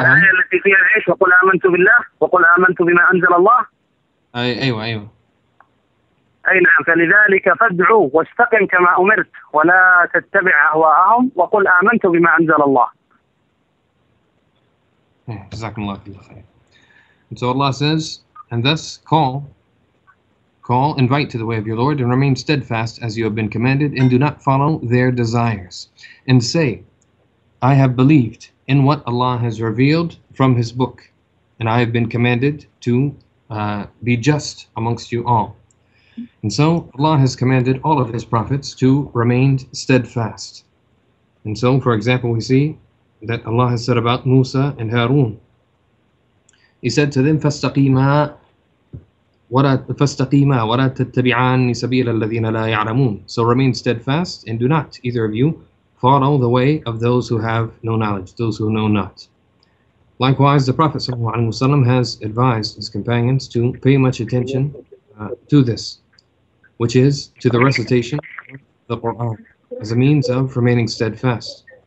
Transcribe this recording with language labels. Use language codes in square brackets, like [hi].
[ar] الآية التي فيها إيش؟ وقل آمنت بالله, وقل آمنت بما أنزل الله. أيوة أيوة. أي نعم، فلذلك فادعوا واستقم كما أمرت ولا تتبع أهواءهم، وقل آمنت بما أنزل الله. جزاكم الله كل خير. [en] And so Allah says, and thus call, invite to the way of your Lord, and remain steadfast as you have been commanded, and do not follow their desires. And say, I have believed in what Allah has revealed from His book, and I have been commanded to be just amongst you all. And so Allah has commanded all of His prophets to remain steadfast. And so, for example, we see that Allah has said about Musa and Harun. He said to them, [ar] فَاسْتَقِيمَا وَلَا تَتَّبِعَانِ سَبِيلَ الَّذِينَ لَا يَعْلَمُونَ. [en] So remain steadfast, and do not, either of you, follow the way of those who have no knowledge, those who know not. Likewise, the Prophet ﷺ has advised his companions to pay much attention to this, which is to the recitation of the Qur'an as a means of remaining steadfast.